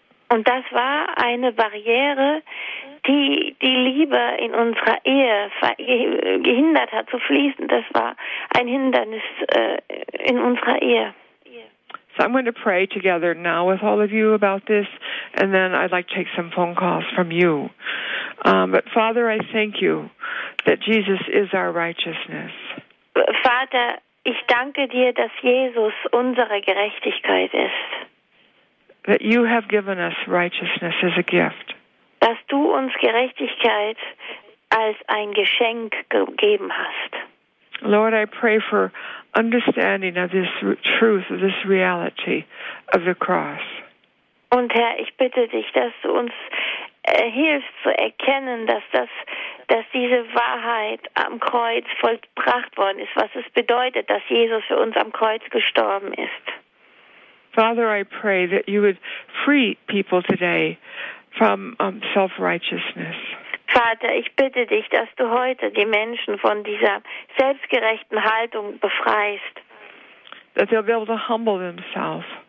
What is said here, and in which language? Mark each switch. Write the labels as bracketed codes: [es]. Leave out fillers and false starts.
[de] Und das war eine Barriere, die Liebe in unserer Ehe gehindert hat zu fließen. Das war ein Hindernis in unserer Ehe. [en] So I'm going to pray together now with all of you about this, and then I'd like to take some phone calls from you. But Father, I thank you that Jesus is our righteousness. [de] Vater, ich danke dir, dass Jesus unsere Gerechtigkeit ist. [en] That you have given us righteousness as a gift. [de] dass du uns Gerechtigkeit als ein Geschenk gegeben hast. [en] Lord, I pray for understanding of this truth, of this reality of the cross. [de] Und Herr, ich bitte dich, dass du uns hilfst zu erkennen, dass diese Wahrheit am Kreuz vollbracht worden ist, was es bedeutet, dass Jesus für uns am Kreuz gestorben ist. [en] Father, I pray that you would free people today from self-righteousness. [de] Vater, ich bitte dich, dass du heute die Menschen von dieser selbstgerechten Haltung befreist. [en] That they'll be able to humble themselves.